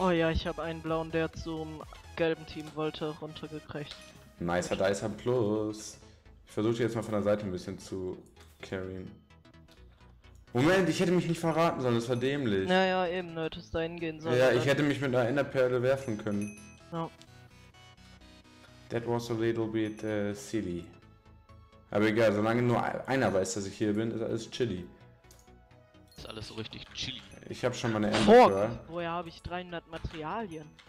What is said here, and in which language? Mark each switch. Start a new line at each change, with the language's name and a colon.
German: Oh ja, ich hab einen blauen, der zum gelben Team wollte, runtergekriegt. Nicer Dicer Plus. Ich versuche jetzt mal von der Seite ein bisschen zu carryen. Moment, ich hätte mich nicht verraten sollen, das war dämlich. Naja, eben, du hättest da hingehen sollen. Ja, ich hätte mich mit einer Enderperle werfen können. Ja.
English: That was a little bit silly.
German: Aber egal, solange nur einer weiß, dass ich hier bin, ist alles chilly. Ist alles so richtig chilly. Ich hab schon meine Enderperle. Woher habe ich 300 Materialien?